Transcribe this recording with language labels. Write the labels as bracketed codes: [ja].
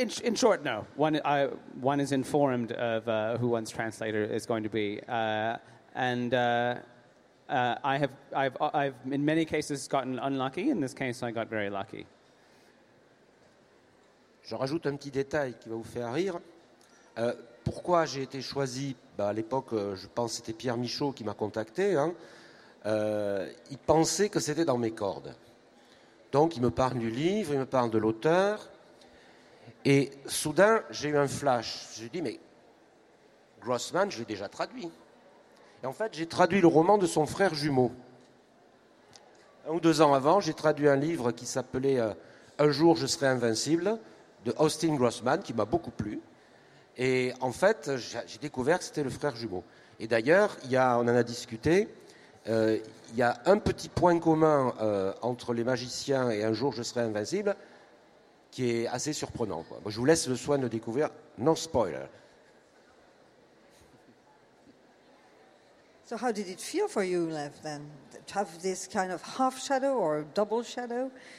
[en] In short, no. One is informed of who one's translator is going to be, and I've in many cases gotten unlucky. In this case, I got very lucky. [fr] Je rajoute un petit détail qui va vous faire rire. Pourquoi j'ai été choisi? À l'époque, je pense que c'était Pierre Michaud qui m'a contacté. Hein. Il pensait que c'était dans mes cordes. Donc, il me parle du livre, il me parle de l'auteur. Et soudain, j'ai eu un flash. J'ai dit, mais Grossman, je l'ai déjà traduit. Et en fait, j'ai traduit le roman de son frère jumeau. Un ou deux ans avant, j'ai traduit un livre qui s'appelait « Un jour, je serai invincible » de Austin Grossman, qui m'a beaucoup plu. Et en fait, j'ai découvert que c'était le frère jumeau. Et d'ailleurs, on en a discuté, il y a un petit point commun entre Les Magiciens et Un jour je serai invincible qui est assez surprenant. Quoi. Bon, je vous laisse le soin de découvrir, [en] no spoiler. So how did it feel for you, Lev, then? To have this kind of half-shadow or double-shadow?